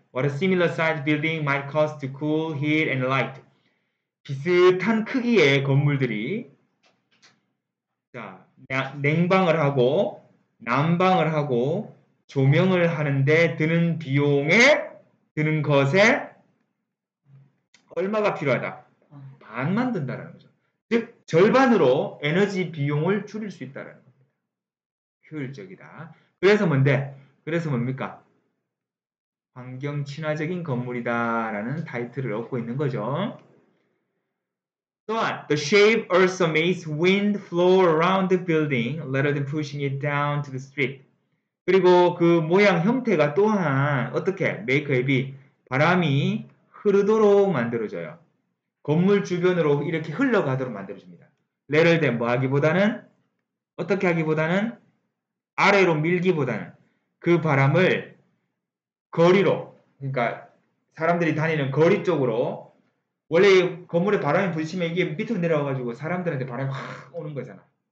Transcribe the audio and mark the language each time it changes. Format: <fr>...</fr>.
<en>What a similar size building might cost to cool, heat, and light.</en> <ko>비슷한 크기의 건물들이, 자, 냉방을 하고, 난방을 하고, 조명을 하는데 드는 비용에 드는 것에 얼마가 필요하다? 반만 든다라는 거죠. 즉 절반으로 에너지 비용을 줄일 수 있다라는 겁니다. 효율적이다. 그래서 뭔데? 그래서 뭡니까? 환경 친화적인 건물이다라는 타이틀을 얻고 있는 거죠. 또한</ko> <en>The shape also makes wind flow around the building rather than pushing it down to the street.</en> <ko>그리고 그 모양 형태가 또한 어떻게 메이크업이 바람이 흐르도록 만들어져요. 건물 주변으로 이렇게 흘러가도록 만들어집니다. 레럴 댐뭐 하기보다는 어떻게 하기보다는 아래로 밀기보다는 그 바람을 거리로 그러니까 사람들이 다니는 거리 쪽으로 원래 건물에 바람이 부딪히면 이게 밑으로 내려와가지고 사람들한테 바람이 확 오는 거잖아.</ko>